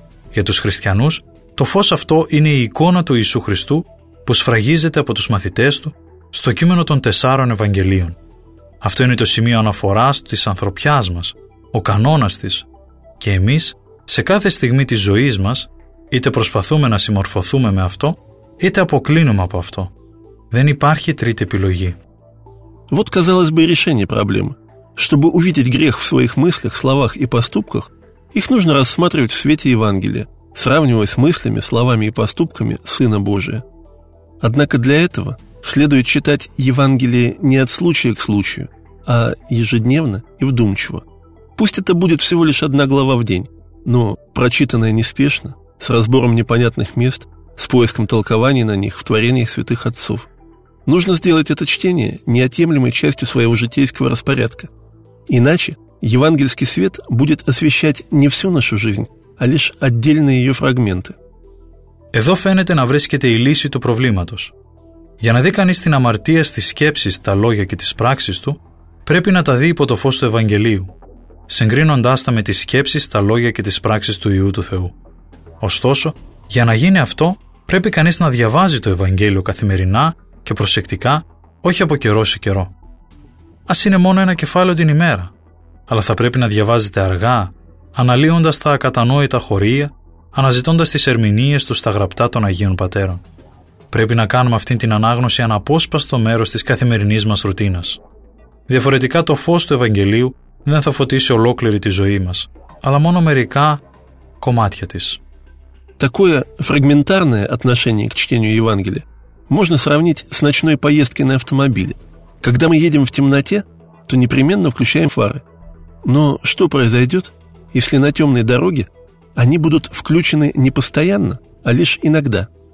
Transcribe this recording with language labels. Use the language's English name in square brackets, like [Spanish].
[Greek] Για τους χριστιανούς, το φως αυτό είναι η εικόνα του Ιησού Χριστού που σφραγίζεται από τους μαθητές του στο κείμενο των τεσσάρων Ευαγγελίων. Αυτό είναι το σημείο αναφοράς της ανθρωπιάς μας, ο κανόνας της. Και εμείς, σε κάθε στιγμή της ζωής μας, είτε προσπαθούμε να συμμορφωθούμε με αυτό, είτε αποκλίνουμε από αυτό. Δεν υπάρχει τρίτη επιλογή. [Russian] Вот, казалось бы, решение проблемы. Чтобы увидеть грех в своих мыслях, словах и поступках, их нужно рассматривать в свете Евангелия, сравнивая с мыслями, словами и поступками Сына Божия. Однако для этого следует читать Евангелие не от случая к случаю, а ежедневно и вдумчиво. Пусть это будет всего лишь одна глава в день, но прочитанная неспешно, с разбором непонятных мест, с поиском толкований на них в творениях святых отцов. Нужно сделать это чтение неотъемлемой частью своего житейского распорядка. Иначе евангельский свет будет освещать не всю нашу жизнь, а лишь отдельные ее фрагменты. [Greek] Εδώ φαίνεται να βρίσκεται η λύση του προβλήματος. Για να δει κανείς την αμαρτία στις σκέψεις, τα λόγια και τις πράξεις του, πρέπει να τα δει υπό το φως του Ευαγγελίου, συγκρίνοντάς τα με τις σκέψεις, τα λόγια και τις πράξεις του Υιού του Θεού. Ωστόσο, για να γίνει αυτό, πρέπει κανείς να διαβάζει το Ευαγγέλιο καθημερινά και προσεκτικά, όχι από καιρό σε καιρό. Ας είναι μόνο ένα κεφάλαιο την ημέρα, αλλά θα πρέπει να διαβάζετε αργά, αναλύοντας τα ακατανόητα χωρία, αναζητώντας τις ερμηνείες του στα γραπτά των Αγίων Πατέρων. Πρέπει να κάνουμε αυτήν την ανάγνωση αναπόσπαστο μέρος της καθημερινής μας ρουτίνας. Διαφορετικά, το φως του Ευαγγελίου δεν θα φωτίσει ολόκληρη τη ζωή μας, αλλά μόνο μερικά κομμάτια της. [Russian] Такое фрагментарное отношение к чтению Евангелия можно сравнить с ночной поездкой на автомобиле. Когда мы едем в темноте, то непременно включаем фары. Но что произойдет, если на темной дороге они будут включены не постоянно, а лишь иногда?